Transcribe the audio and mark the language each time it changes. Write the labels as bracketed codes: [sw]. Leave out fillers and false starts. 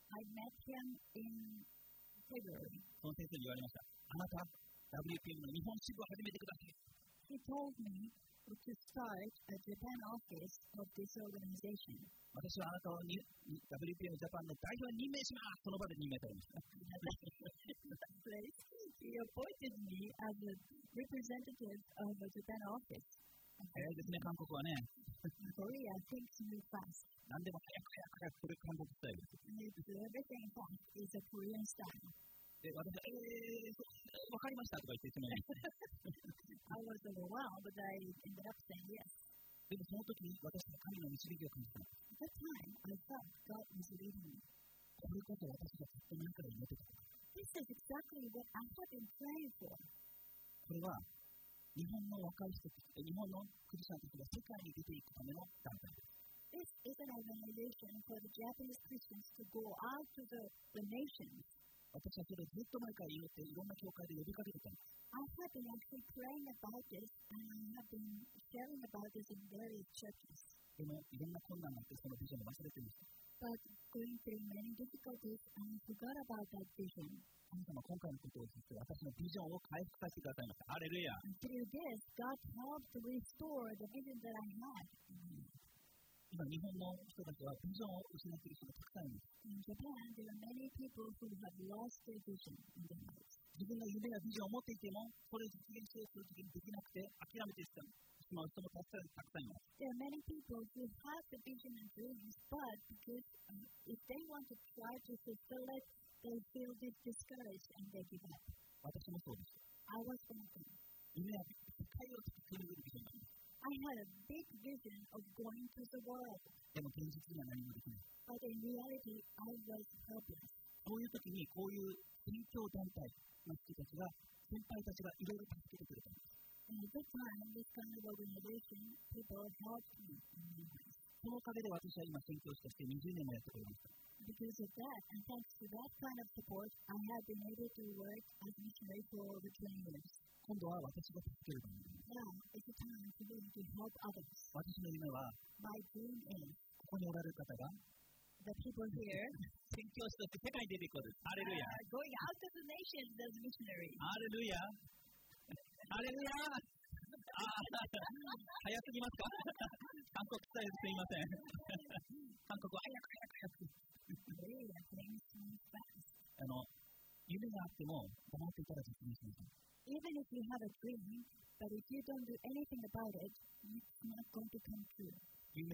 [en] I met him in February. [ja] その先生に言われました。あなた、WPM の日本支部を始めてください。 [en] He told me to start a Japan office of this organization. [ja] 私はあなたを WPM Japan の代表に任命します。その場で任命されました。 [en] He appointed me as a representative of the Japan office. [ja] 早いですね、韓国はね。 [en] Korea thinks me fast. [ja] 何でも早く早く早く、これ韓国スタイルです。 [en] Everything fast is a Korean style. [ja] で、私は、わかりましたとか言ってしまいました。 [en] I was overwhelmed, but I ended up saying yes. [ja] でもその時に私は神の導きを感じたんです。 [en] At that time, I thought God was leading me. [ja] これこそ私がずっと前から思ってたんです。 [en] This is exactly what I have been praying for. [ja] これは日本の若い人たち、日本のクリスチャンたちが世界に出ていくための団体です。 [en] This is an organization for the Japanese Christians to go out to the nations. [ja] 私はそれずっと前から言って、いろんな教会で呼びかけてたんです。 [en] I have been actually praying about this and I have been sharing about this in various churches. [ja] でもいろんな困難があって、そのビジョンを忘れてました。 [en] But going through many difficulties, and forgot about that vision. [ja] 神様、今回のことを通して私のビジョンを回復させてくださいました。ハレルヤ。 [en] And through this, God helped to restore the vision that I had. [ja] 今、日本の人たちはビジョンを失っている人がたくさんいます。 [en] In Japan, there are many people who have lost their vision in their lives. [ja] 自分の夢やビジョンを持っていても、それを実現しようとする時にできなくて諦めてしまう。 [en] There are many people who have the vision and dreams, but because if they want to try to fulfill it, they feel discouraged and they give up. I was thinking. I had a big vision of going to the world. But in reality, I was helpless. [ja] こういう時にこういう宣教団体の人たちが、先輩たちがいろいろ助けてくれたんです。 [en] And at that time, this kind of organization, people helped me. [ja] そのおかげで私は今宣教師として20年もやっておりました。 [en] Because of that, and thanks to that kind of support, I have been able to work as missionary for over 20 years. [ja] 今度は私が助ける番組。 [en] Now, it's a time for me to help others. [ja] 私の夢は、 [en] My dream is, [ja] ここにおられる方が、 [en] The people here, [ja] 宣教師として世界に出てくる。ハレルヤ。 [en] Going out to the nations as missionaries. [ja] ハレルヤ。あれや、早すぎますか？韓国伝えすみません。韓国は早く早く。夢があっても黙っていたら実現しません。 [en] Even if you have a dream, but if you don't do anything about it, it's not going to come true.